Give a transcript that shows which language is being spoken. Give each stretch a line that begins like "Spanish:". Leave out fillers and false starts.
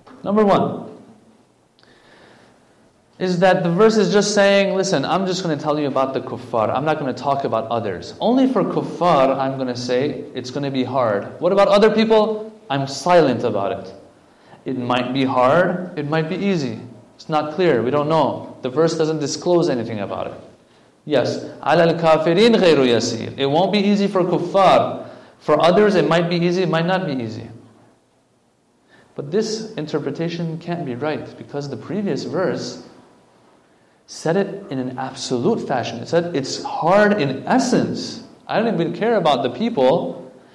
English: Number one is that the verse is just saying, listen, I'm just going to tell you about the kuffar. I'm not going to talk about others. Only for kuffar, I'm going to say it's going to be hard. What about other people? I'm silent about it. It might be hard. It might be easy. It's not clear. We don't know. The verse doesn't disclose anything about it. Yes,
Arabic: عَلَى الْكَافِرِينَ غَيْرُ يَسِيرٍ.
English: It won't be easy for kuffar. For others, it might be easy, it might not be easy. But this interpretation can't be right, because the previous verse said it in an absolute fashion. It said it's hard in essence. I don't even care about the people.